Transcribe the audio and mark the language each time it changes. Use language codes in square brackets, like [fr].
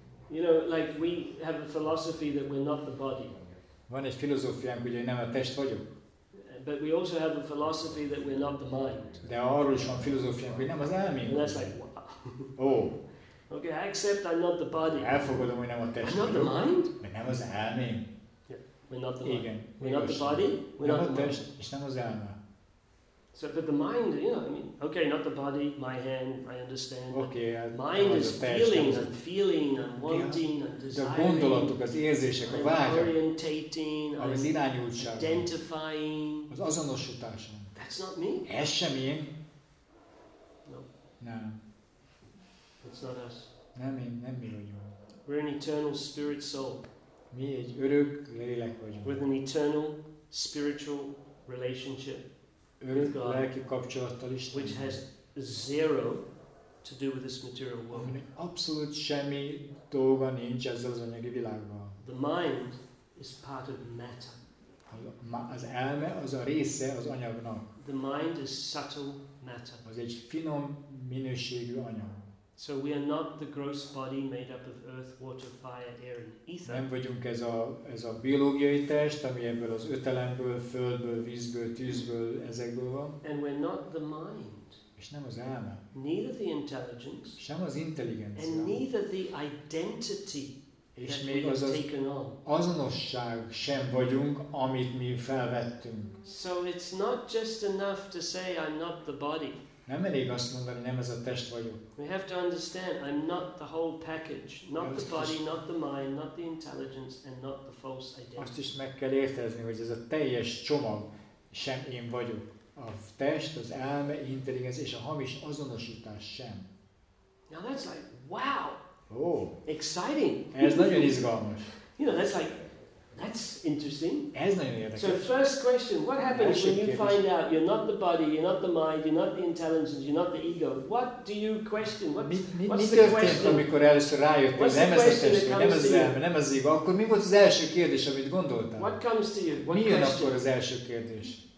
[en] You know, like we have a philosophy that we're not the body. [hu] Van egy filozófiánk, hogy nem a test vagyok. [en] But we also have a philosophy that we're not the mind. [hu] De arról is van filozófiánk, hogy nem az elmé. [en] And that's like, wow. Oh. Okay, I accept I'm not the body. [hu] Elfogadom, hogy nem a test. [en] I'm not the mind. [hu] Mert nem az elmé. [en] Yeah, we're not the mind. [hu] Igen. [en] We're not the body. We're [hu] nem [en] not [hu] a test, és nem az elmé. [en] So, but the mind, you know, I mean, okay, not the body, my hand, I understand. Okay, mind is feeling, I'm feeling, I'm wanting, I'm desiring. [hu] De gondolatok, az érzések, a vágyak. [en] I'm orientating, [hu] az irányultság. [en] Identifying. [hu] Az azonosításom. [en] That's not me. [hu] Ez sem én. [en] No. [hu] Nem. [en] That's not us. [hu] Nem én, nem mi vagyunk. [en] We're an eternal spirit soul. [hu] Mi egy örök lélek vagyunk. [en] With an eternal spiritual relationship with God, [hu] lelki kapcsolattal Istennel, [en] which has zero to do with this material world. [hu] Aminek abszolút semmi dolga nincs ezzel az anyagi világban. [en] The mind is part of matter. [hu] Az elme az a része az anyagnak. [en] The mind is subtle matter. [hu] Az egy finom minőségű anyag. [en] So we are not the gross body made up of earth, water, fire, air and ether. [hu] Nem vagyunk ez a biológiai test, ami ebből az ötelemből, földből, vízből, tűzből, ezekből van. [en] And we're not the mind. [hu] És nem az elme. [en] Neither the intelligence. [hu] Sem az intelligencia. [en] And neither the identity. [hu] És még az azonosság sem vagyunk, amit mi felvettünk. [en] So it's not just enough to say I'm not the body. [hu] Nem elég azt mondani, nem ez a test vagyok. [en] We have to understand I'm not the whole package, not the body, not the mind, not the intelligence and not the false identity. [hu] Azt is meg kell értezni, hogy ez a teljes csomag sem én vagyok. A test, az elme, intelligencia és a hamis azonosítás sem. [en] Now that's like wow. Oh, exciting. [hu] Ez nagyon izgalmas. [en] You know, that's like that's interesting. [hu] Ez nagyon érdekes. [en] So first question, what happens when you find out you're not the body, you're not the mind, you're not the intelligence, you're not the ego? What do you question? What's the question? [hu] Amikor először rájöttél, nem ez a test, nem ez az elme, nem ez az ego, akkor mi volt az első kérdés, amit gondoltál? [en] What comes to you? [hu] Mi jön akkor az első kérdés?